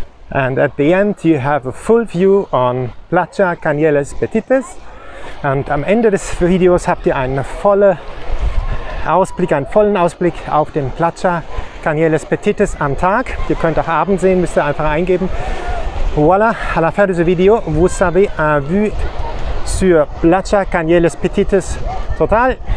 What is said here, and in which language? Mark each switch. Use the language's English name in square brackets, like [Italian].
[English] And at the end you have a full view on Playa Canyelles Petites. [German] Und am Ende des Videos habt ihr einen vollen Ausblick auf den Playa Canyelles Petites am Tag. Ihr könnt auch abends sehen, müsst ihr einfach eingeben. [French] Voilà, à la fin de ce vidéo, vous avez une vue sur Playa Canyelles Petites total.